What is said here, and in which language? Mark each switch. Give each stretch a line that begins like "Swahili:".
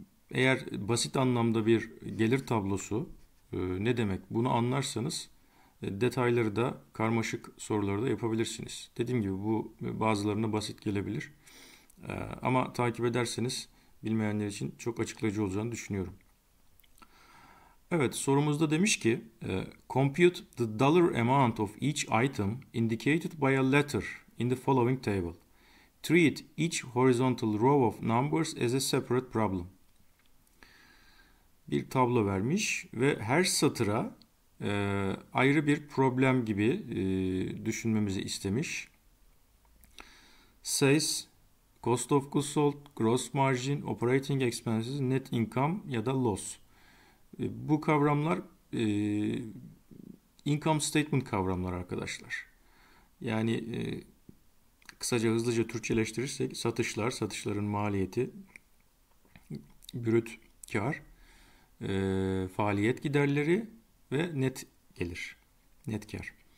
Turkish: Eğer basit anlamda bir gelir tablosu ne demek? Bunu anlarsanız detayları da karmaşık soruları da yapabilirsiniz. Dediğim gibi bu bazılarına basit gelebilir. Ama takip ederseniz bilmeyenler için çok açıklayıcı olacağını düşünüyorum. Evet, sorumuzda demiş ki,
English: compute the dollar amount of each item indicated by a letter in the following table. Treat each horizontal row of numbers as a separate problem.
Turkish: Bir tablo vermiş ve her satıra ayrı bir problem gibi düşünmemizi istemiş.
English: Sales, cost of goods sold, gross margin, operating expenses, net income
Turkish: ya da
English: loss.
Turkish: Bu kavramlar income statement kavramlar arkadaşlar. Yani kısaca hızlıca Türkçeleştirirsek satışların maliyeti, brüt kar, faaliyet giderleri ve net gelir, net kar.